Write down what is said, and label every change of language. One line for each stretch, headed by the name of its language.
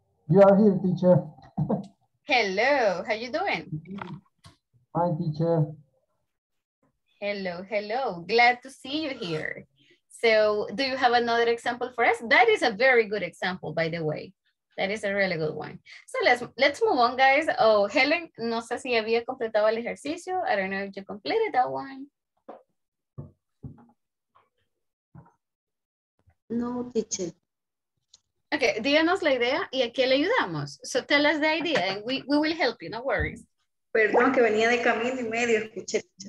English: You are here, teacher. Hello. How you doing? Hi, teacher. Hello, hello. Glad to see you here. So, do you have another example for us? That is a very good example, by the way. That is a really good one. So, let's move on, guys.
Spanish: Oh, Helen, no sé si había completado el ejercicio.
English: I don't know if you completed that one. No, teacher.
Spanish: Okay, díganos la idea y aquí le ayudamos.
English: So, tell us the idea and we will help you, no worries.
Spanish: Perdón, que venía de camino y medio, escuché.